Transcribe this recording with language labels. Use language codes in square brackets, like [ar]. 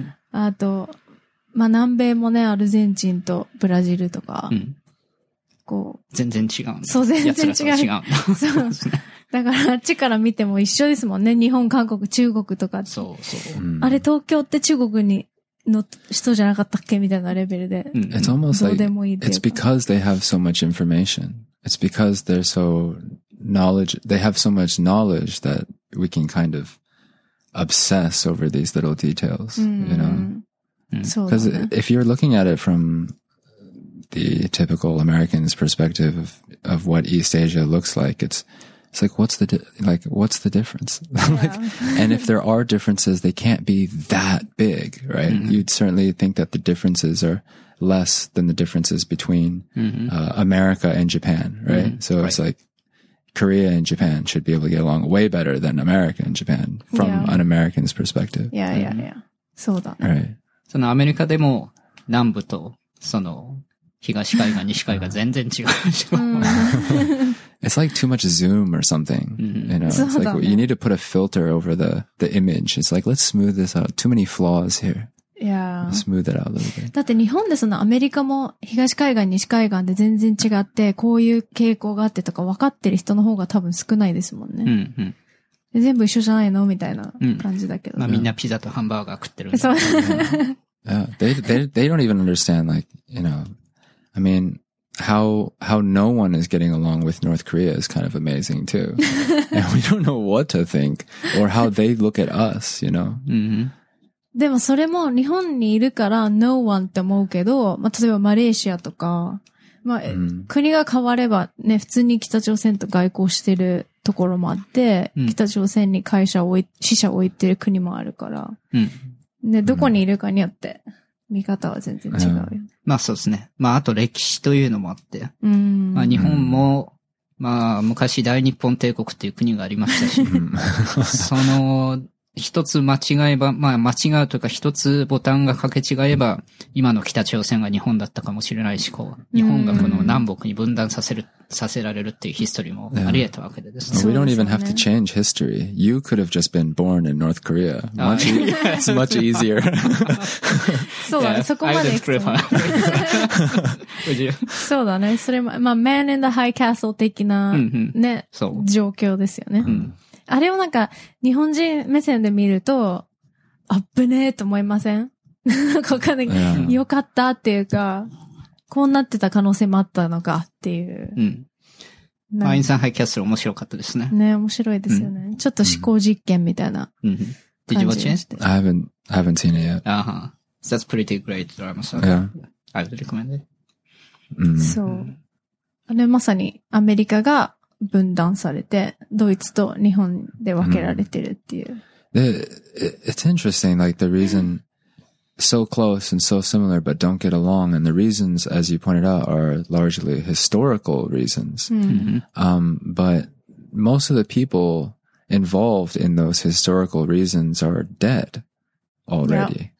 [ja] あと、まあ南米もね、アルゼンチンとブラジルとか。うん、こう。全然違うんだ。そう、全然違う。違う。そう。だからあっちから見ても一緒ですもんね。日本、韓国、中国とか。そうそう。あれ東京って中国に。の人じゃなかったっけみたいなレベルで。 [en] It's almost like, it's because they have so much information. It's because they're so knowledge, they have so much knowledge that we can kind of obsess over these little details, you know? Because if you're looking at it from the typical American's perspective of what East Asia looks like, it's like, what's the difference? Like, and if there are differences, they can't be that big, right? Mm-hmm. You'd certainly think that the differences are less than the differences between, America and Japan, right? Mm-hmm. So it's like, Korea and Japan should be able to get along way better than America and Japan from an American's perspective. Yeah. Right. [ja] その、アメリカでも、南部と、その、東海岸、西海岸全然違うでしょ。 [en] It's like too much zoom or something, you know. It's like you need to put a filter over the image. It's like let's smooth this out. Too many flaws here. Yeah. Let's smooth it out a little bit. [ja] だって日本でそのアメリカも東海岸西海岸で全然違ってこういう傾向があってとか分かってる人の方が多分少ないですもんね。うん、全部一緒じゃないのみたいな感じだけど。まあみんなピザとハンバーガー食ってるんだ。そう。 [en] They don't even understand like you know, I mean. How no one is getting along with North Korea is kind of amazing too. And we don't know what to think or how they look at us, you know? [ja] でもそれも日本にいるから [en] no one [ja] って思うけど、まあ、例えばマレーシアとか、まあ、国が変わればね、普通に北朝鮮と外交してるところもあって、北朝鮮に会社を置い、支社を置いてる国もあるから、ね、どこにいるかによって。見方は全然違うよ。まあそうですね。まああと歴史というのもあって。まあ日本も、まあ昔大日本帝国っていう国がありましたし、その一つ間違えば、まあ間違うというか一つボタンが掛け違えば、今の北朝鮮が日本だったかもしれないし、こう、日本がこの南北に分断させる、させられるっていうヒストリーもあり得たわけです、 [en] ね。We don't even have to change history. You could have just been born in North Korea. Much, it's much easier. [ja] そうだね、そこまで。そうだね、それも、まあ、man in the high castle 的なね、状況ですよね。あれをなんか、日本人目線で見ると、あっぶねえと思いませんなんか、よかったっていうか、こうなってた可能性もあったのかっていう。アインサンハイキャッスル面白かったですね。ね、面白いですよね。ちょっと思考実験みたいな [en] Did you watch it? I haven't seen it yet. Uh-huh. That's pretty great drama. So yeah. I would recommend it. Mm-hmm. [ja] So, あれまさにアメリカが分断されてドイツと日本で分けられてるっていう。 [en] It's interesting, like the reason so close and so similar but don't get along, and the reasons, as you pointed out, are largely historical reasons. Mm-hmm. But most of the people involved in those historical reasons are dead already.